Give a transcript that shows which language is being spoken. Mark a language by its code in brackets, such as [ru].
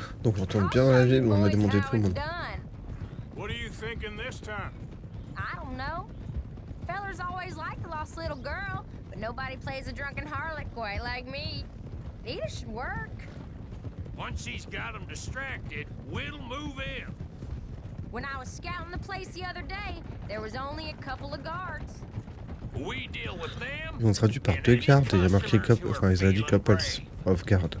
[fr] Donc on retourne bien dans la ville, on a demandé tout le monde. [en] What are you thinking this time? I don't know. Fellers always like the lost little girl, but nobody plays a drunken harlot quite like me. Nita should work. Once she's got them distracted, we'll move in. When I was scouting the place the other day, there was only a couple of guards. We deal with them. [fr] Ils ont traduit par deux gardes, il y a marqué couple, enfin ils ont dit [en] couples of guard.